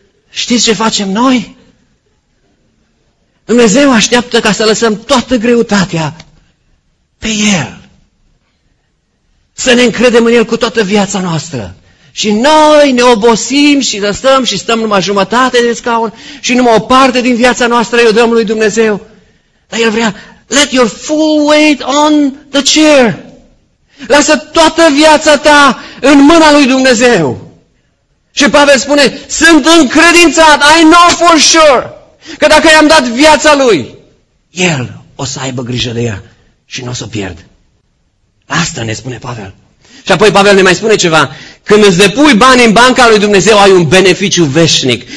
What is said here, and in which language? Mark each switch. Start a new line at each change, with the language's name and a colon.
Romanian: Știți ce facem noi? Dumnezeu așteaptă ca să lăsăm toată greutatea pe El. Să ne încredem în El cu toată viața noastră. Și noi ne obosim și lăsăm și stăm numai jumătate de scaun și numai o parte din viața noastră o dăm lui Dumnezeu. Dar El vrea:
English: let your full weight on the chair.
Romanian: Lasă toată viața ta în mâna lui Dumnezeu. Și Pavel spune: sunt încredințat,
English: I know for sure,
Romanian: că dacă i-am dat viața lui, El o să aibă grijă de ea și nu o să o pierd. Asta ne spune Pavel. Și apoi Pavel ne mai spune ceva: când îți depui bani în banca lui Dumnezeu, ai un beneficiu veșnic.